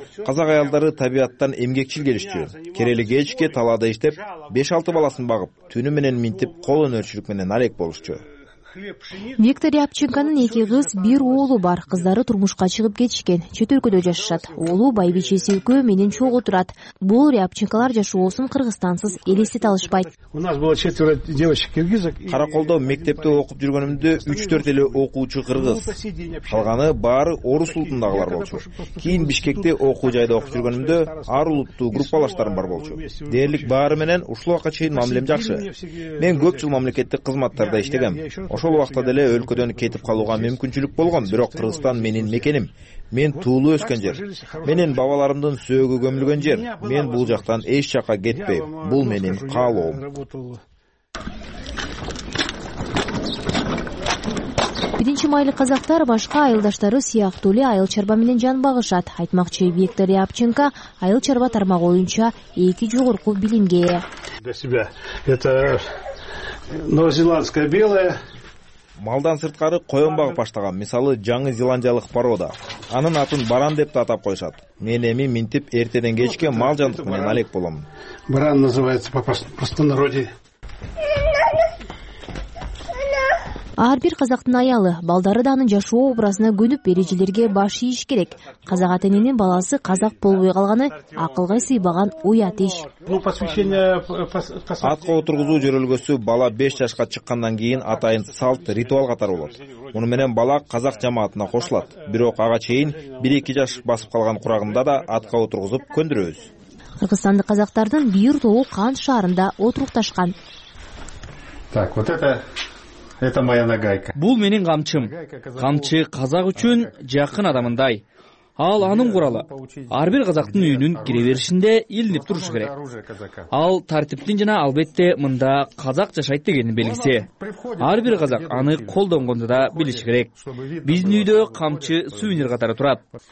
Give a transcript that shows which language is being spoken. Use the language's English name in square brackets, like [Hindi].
[Kyrgyz] Казак аялдары табияттан эмгекчил келишчү. Керели кечке талаада иштеп, 5-6 баласын багып, түнү менен минтип кол өнөрчүлүк менен алек болушчу. Виктор Рябченконун 2 кыз, 1 уулу бар. Кыздары турмушка чыгып кетишкен, чет өлкөдө жашашат. Уулу байбичеси экөө менен чогуу турат. Бул Рябченколор жашоосун Кыргызстансыз элестете алышпайт. [Russian] У нас было четверо девочек киргизок. [Kyrgyz] Караколдо мектепте окуп жүргөнүмдө 3-4 эле окуучу кыргыз. Калганы баары орус улутундагылар болчу. Кийин Бишкекте окуу жайда окуп жүргөнүмдө ар улуттуу группалаштарым бар болчу. Дээрлик баары менен ушул убакка чейин мамилем жакшы. Мен көп жыл мамлекеттик кызматтарда иштегем. Ошол убакта деле өлкөдөн кетип калууга мүмкүнчүлүк болгон, бирок Кыргызстан менин мекеним. Мен туулу өскөн жер. Менин бабаларымдын сөөгү көмүлгөн жер. Мен бул жактан эч жака кетпейм. Бул менин каалоом. Биринчи майлы казактар башка айылдаштары сыяктуу эле айыл чарба менен жан багышат. Айтмакчы, Виктор Рябченко айыл чарба тармагы боюнча 2 жогорку билимге ээ. [Russian] Для себя это новозеландская белая. [Kyrgyz] Малдан сырткары коен багып баштаган. Мисалы, жаңы зеландиялык порода. Анын атын баран деп да атап коюшат. Мен эми минтип эртеден кечке мал жандык менен алек болом. [Russian] Баран называется по простонародье. [Kyrgyz] Ар бир казактын аялы, балдары да анын жашоо образына көнүп, эрежелерге баш ийиш керек. Казак атанын баласы казак болбой калганы акылга сыйбаган уят иш. Атка отургузуу жөрөлгөсү бала 5 жашка чыккандан кийин атайын салт ритуал катары болот. Муну менен бала казак жамаатына кошулат. Бирок ага чейин 1-2 жаш басып калган курагында да атка отургузуп көндүрөбүз. Кыргызстандык казактардын бир тобу Кант шаарында отурукташкан. [Russian] Так, вот это Это моя нагайка. [Kyrgyz] Бул менин камчым. Камчы казак үчүн жакын адамындай. Ал анын куралы. Ар бир казактын үйүнүн кире беришинде илинип туруш керек. Ал тартиптин жана албетте мында казак жашайт дегенин белгиси. Ар бир казак аны колдонгондо да билиш керек. Биздин үйдө камчы сувенир катары турат.